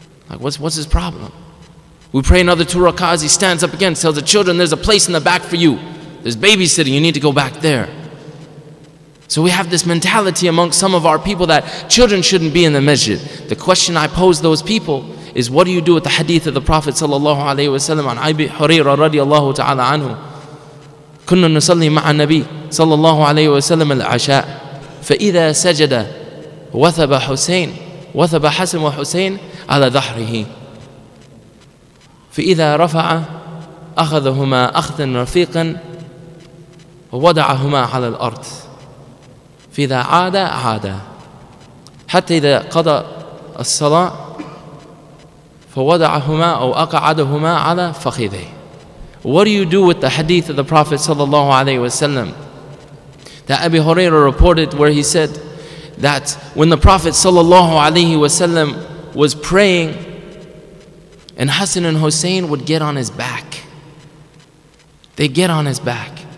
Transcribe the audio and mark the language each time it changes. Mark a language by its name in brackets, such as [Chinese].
[English] Like, what's his problem? We pray another two rak'ahs, he stands up again, tells the children, "There's a place in the back for you. There's babysitting, you need to go back there." So we have this mentality among some of our people that children shouldn't be in the masjid. The question I pose those people is, what do you do with the hadith of the Prophet sallallahu alaihi wasallam on Abi Huraira radiallahu ta'ala anhu? [Arabic] كنا نصلي مع النبي صلى الله عليه وسلم العشاء فإذا سجد وثب حسين وثب حسن وحسين على ظهره فإذا رفع أخذهما أخذا رفيقا ووضعهما على الأرض فإذا عاد عاد حتى إذا قضى الصلاة فوضعهما أو أقعدهما على فخذيه. [English] What do you do with the hadith of the Prophet sallallahu alaihi wasallam that Abi Huraira reported, where he said that when the Prophet sallallahu alaihi wasallam was praying, and Hassan and Hussein would get on his back. They get on his back.